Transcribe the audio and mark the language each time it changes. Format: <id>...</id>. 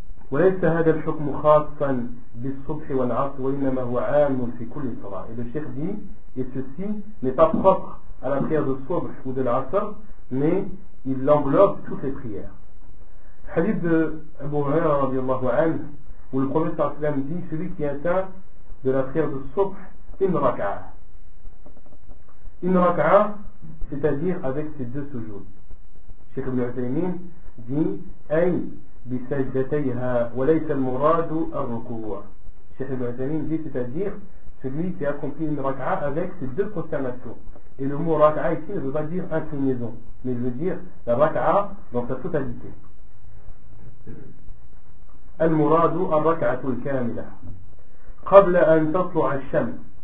<ar>وليس هذا الحكم خاصا بالصبح والعصر وإنما هو عام في كل صلاة.</ar> <fr>Et le cheikh dit: et ceci n'est pas propre à la prière de Sobh ou de l'Asr, mais il englobe toutes les prières. Hadith de Abu Huraira</fr> <ar>radiallahu anhu,</ar> <fr>où le prophète</fr> <ar>sallallahu alayhi wa sallam</ar> <fr>dit: celui qui atteint de la prière de Sobh une raka'a. Une raka'a, c'est-à-dire avec ses deux sujouds. Cheikh Ibn Uthaymin dit:</fr> <ar>أي بسجدتيها وليس المراد الركوع.</ar> <fr>Cheikh Ibn Uthaymin dit: c'est-à-dire celui qui accomplit une raka'a avec ses deux prosternations. Et le mot raka'a ici ne veut pas dire inclinaison, mais il veut dire la raka'a dans sa totalité.</fr> <ar>Al muradu al raka'atu al kamila qabla an tatlu' al shams.</ar>